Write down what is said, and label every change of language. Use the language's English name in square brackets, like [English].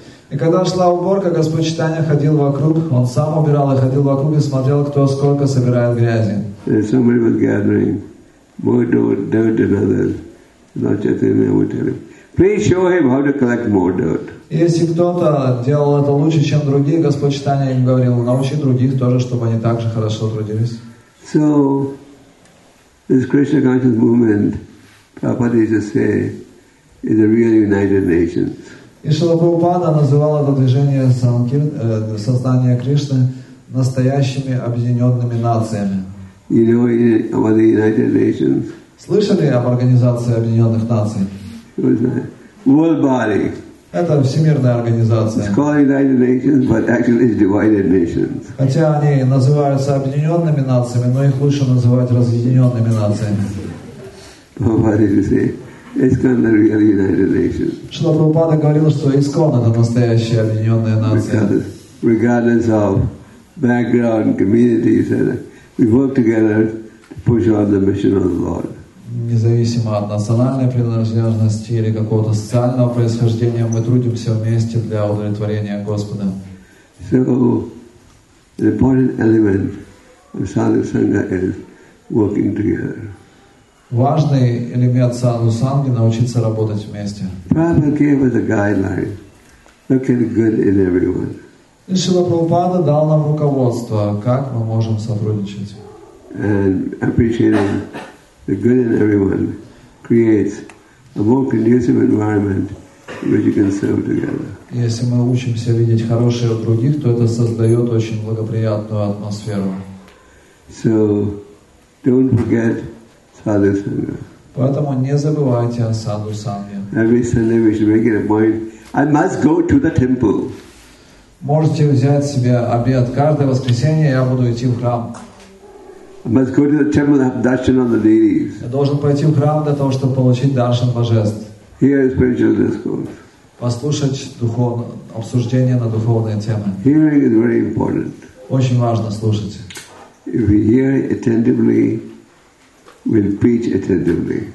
[Russian] И когда шла уборка, Господь Чайтанья ходил вокруг, он сам убирал и ходил вокруг и смотрел, кто сколько собирает грязи. [English] Somebody was gathering more dirt than others. Lord Chaitanya would tell him, "Please show him how to collect more dirt." [Russian] Если кто-то делал это лучше, чем другие, Господь Чайтанья им говорил, научи других тоже, чтобы они так же хорошо трудились. [English] So, this Krishna conscious movement, Prabhupada used to say, is a real United Nations. [Russian] И Шрила Прабхупада называл это движение сознания Кришны настоящими объединенными нациями. [English] You know about the United Nations? [Russian] Слышали об Организации Объединенных Наций? [English] World Body. [Russian] Это всемирная организация. [English] It's called United Nations, but actually it's divided nations. [Russian] Хотя они называются объединенными нациями, но их лучше называть разъединенными нациями. [English] Prabhupada said, "ISKCON is the real United Nations." [Russian] Шрила Прабхупада говорил, что ИСККОН это настоящая объединенная нация. [English] Regardless of background, communities, we work together to push on the mission of the Lord. [Russian] Независимо от национальной принадлежности или какого-то социального происхождения, мы трудимся вместе для удовлетворения Господа. [English] So, the important element of sadhu sangha is working together. [Russian] Важный элемент sadhu sangha — научиться работать вместе. [English] Prabhupada gave us a guideline: look at good in everyone. [Russian] Шрила Прабхупада дал нам руководство, как мы можем сотрудничать. [English] And appreciating the good in everyone creates a more conducive environment in which you can serve together. [Russian] Если мы учимся видеть хорошее в других, то это создает очень благоприятную атмосферу. [English] So, don't forget sadhu sangha. [Russian] Поэтому не забывайте о sadhu sangha. [English] Every Sunday we should make it a point. I must go to the temple. [Russian] Можете взять себе обет. Каждое воскресенье я буду идти в храм. [English] I must go to the temple to have darshan on the deities. [Russian] Я должен пойти в храм для того, чтобы получить даршан божеств. [English] Hear spiritual discourse. [Russian] Послушать духовное обсуждение на духовные темы. [English] Hearing is very important. [Russian] Очень важно слушать. [English] If we hear attentively, we'll preach attentively.